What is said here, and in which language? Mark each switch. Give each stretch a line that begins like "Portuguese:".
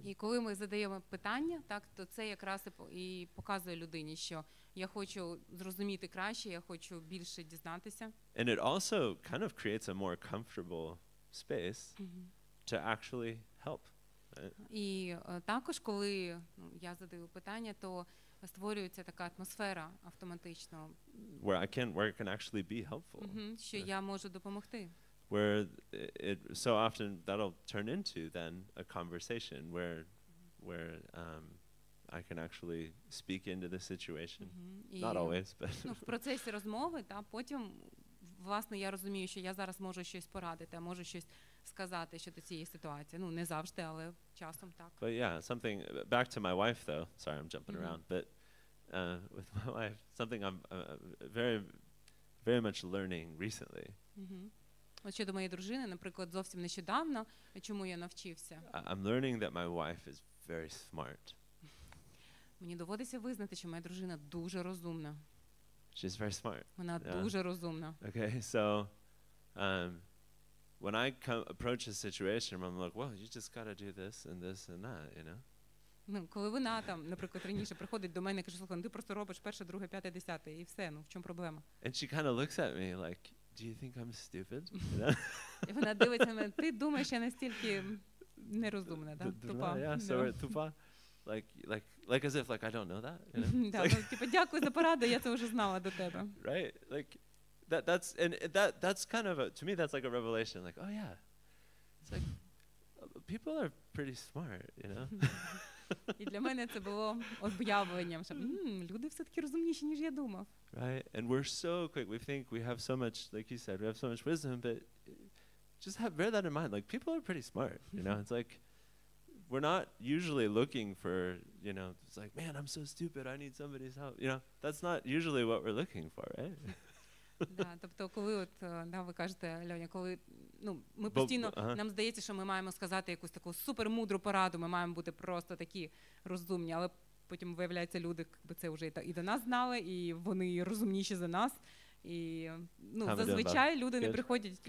Ukrainian: І коли ми задаємо питання, так, то це якраз і показує людині, що я хочу зрозуміти краще, я хочу більше дізнатися.
English: And it also kind of creates a more comfortable space mm-hmm. to actually help.
Ukrainian: І також, коли я задаю питання, то створюється така атмосфера автоматично.
English: Where I can actually be helpful.
Ukrainian: Що я можу допомогти.
English: Where it so often that'll turn into then a conversation where I can actually speak into the situation. Not always, but
Ukrainian: в процесі розмови, та потім власне я розумію, що я зараз можу щось порадити, а можу щось сказати щодо цієї ситуації. Не завжди, але часом так.
English: But yeah, something back to my wife though. Sorry, I'm jumping mm-hmm. around. But with my wife, something I'm very very much learning recently.
Ukrainian: Mm-hmm. От щодо моєї дружини, наприклад, зовсім нещодавно, чому я навчився.
English: I'm learning that my wife is very smart.
Ukrainian: Мені доводиться визнати, що моя дружина дуже розумна.
English: She's very smart.
Ukrainian: Вона дуже розумна.
English: Okay, so when I come approach a situation, I'm like, well, you just gotta do this and this and that, you know?
Ukrainian: Ну, коли вона там, наприклад, раніше приходить до мене і каже, слухай, ну ти просто робиш перше, друге, п'яте, десяте, і все, ну в чому проблема?
English: And she kind of looks at me like, do you think I'm stupid?
Ukrainian: І вона дивиться на мене, ти думаєш, я настільки нерозумна, так? Тупа.
English: Yeah, so
Ukrainian: тупа.
English: Like as if like I don't know that.
Ukrainian: Так, ну типу, дякую за пораду, я це вже знала до тебе.
English: Right, like, that's kind of, to me, that's like a revelation, like, oh yeah, it's like, people are pretty smart, you know?
Ukrainian: І для мене це було об'явленням, що люди все-таки розумніші, ніж я думав.
English: Right, and we're so quick, we think we have so much, like you said, we have so much wisdom, but just bear that in mind, like people are pretty smart, you know, it's like, we're not usually looking for, you know, it's like, man, I'm so stupid, I need somebody's help, you know, that's not usually what we're looking for, right?
Ukrainian: Тобто, коли от, да, ви кажете, Льоня, коли, ну, ми постійно, нам здається, що ми маємо сказати якусь таку супермудру пораду, ми маємо бути просто такі розумні, але потім виявляється, люди якби це вже і до нас знали, і вони розумніші за нас, і, ну, зазвичай люди не приходять,